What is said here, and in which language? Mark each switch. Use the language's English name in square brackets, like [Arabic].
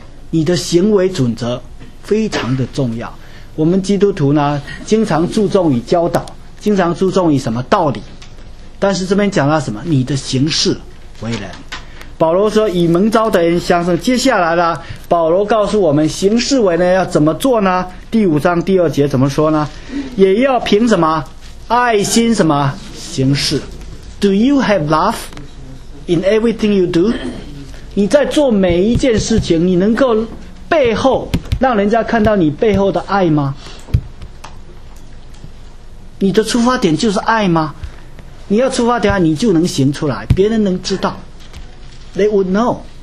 [Chinese] 你的行为准则非常的重要。我们基督徒呢经常注重于教导，经常注重于什么道理，但是这边讲到什么你的行事为人。保罗说以蒙召的人相称，接下来呢保罗告诉我们行事为人要怎么做呢？第五章第二节怎么说呢？也要凭什么爱心什么行事。 [English] Do you have love in everything you do? [Chinese] 你在做每一件事情，你能够背后让人家看到你背后的爱吗？你的出发点就是爱吗？你要出发点，你就能行出来，别人能知道。 [English] They would know.